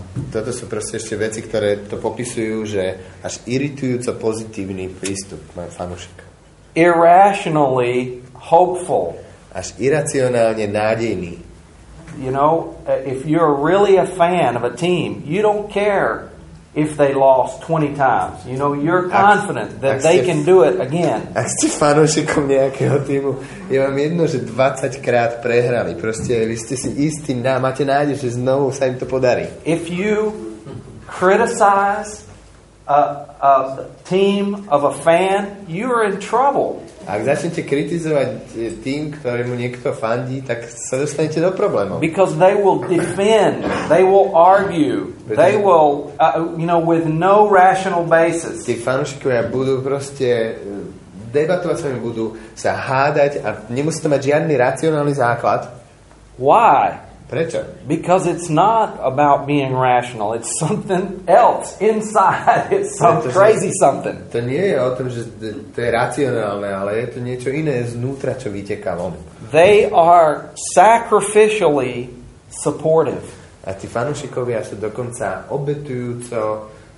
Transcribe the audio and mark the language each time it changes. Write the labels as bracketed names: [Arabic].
[Slovak] Toto sú proste ešte veci, ktoré to popisujú, že až iritujúco pozitívny prístup, môj fanúšik. [English] Irrationally hopeful. [Slovak] Až iracionálne nádejný. [English] You know, if you're really a fan of a team, you don't care if they lost 20 times. You know, you're confident that they can do it again. [Slovak] Ak ste fanúšikom nejakého týmu, je vám jedno, že 20 krát prehrali. Proste vy ste si istí, máte nádej, že znovu sa im to podarí. [English] If you criticize a team of a fan, you are in trouble. [Slovak] Ak začnete kritizovať tým, ktorému niekto fandí, tak sa dostanete do problémov. [English] Because they will defend, they will argue, they will, you know, with no rational basis. [Slovak] Tí fanúšikovia budú proste debatovať s vami, budú sa hádať a nemusí to mať žiadny racionálny základ. [English] Why? [Slovak] Prečo? [English] Because it's not about being rational. It's something else inside. It's some crazy something. [Slovak] To nie je o tom, že to je racionálne, ale je to niečo iné znútra, čo vyteká von. [English] They are sacrificially supportive. [Slovak] A tí fanúšikovia sú dokonca obetujúco